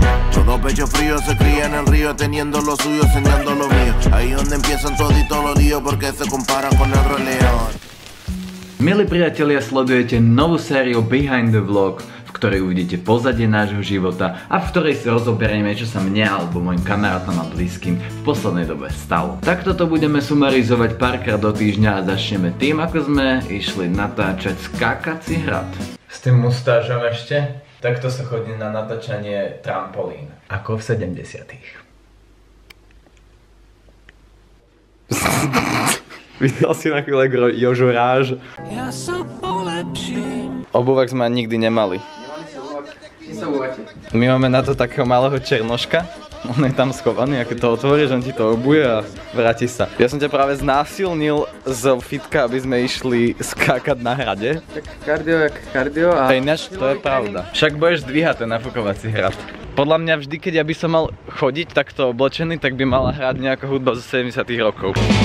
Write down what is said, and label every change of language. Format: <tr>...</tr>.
<es>Todo pecho frío se cría en el río, teniendo lo suyo, enseñando lo mío. Ahí donde empiezan toditos los líos, porque se comparan con el roleón.</es> <sk>Milí priatelia, sledujete novú sériu Behind the Vlog, v ktorej uvidíte pozadie nášho života a v ktorej si rozoberieme, čo sa mne alebo mojim kamarátom a blízkym v poslednej dobe stalo. Takto to budeme sumarizovať párkrát do týždňa a začneme tým, ako sme išli natáčať skákací hrad. S tým mustážom ešte? Takto sa chodí na natáčanie trampolín. Ako v 70-tých. Videl si na chvíle Jožu Ráž. Ja sa polepším. Obuvak sme nikdy nemali. Nemali sa obuvať. My máme na to takého malého černoška. On je tam schovaný, ak to otvoríš, on ti to obuje a vráti sa. Ja som ťa práve znásilnil z fitka, aby sme išli skákať na hrade. Tak kardio, jak kardio a... Hej, naš, to je pravda. Však budeš dvíhať ten nafukovací hrad. Podľa mňa vždy, keď ja by som mal chodiť takto oblečený, tak by mala hrať nejaká hudba zo 70-tých rokov.</sk>